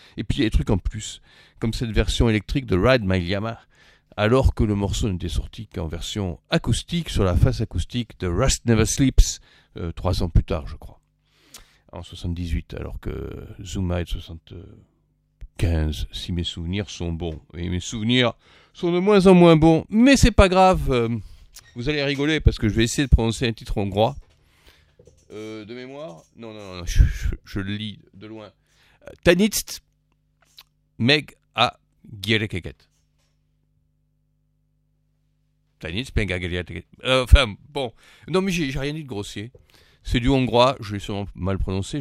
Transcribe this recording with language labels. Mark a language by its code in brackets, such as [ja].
[fr] Et puis il y a des trucs en plus, comme cette version électrique de Ride My Llama, alors que le morceau n'était sorti qu'en version acoustique sur la face acoustique de Rust Never Sleeps, 3 ans plus tard je crois, en 78, alors que Zuma est de 75, si mes souvenirs sont bons. Et mes souvenirs sont de moins en moins bons, mais c'est pas grave. Vous allez rigoler parce que je vais essayer de prononcer un titre hongrois. De mémoire ? Non, je le lis de loin. [hu] Tanitzt meg a gyerekeket. Tanitzt meg a gyerekeket. [fr] Enfin, bon. Non, mais j'ai rien dit de grossier. C'est du hongrois, je l'ai sûrement mal prononcé.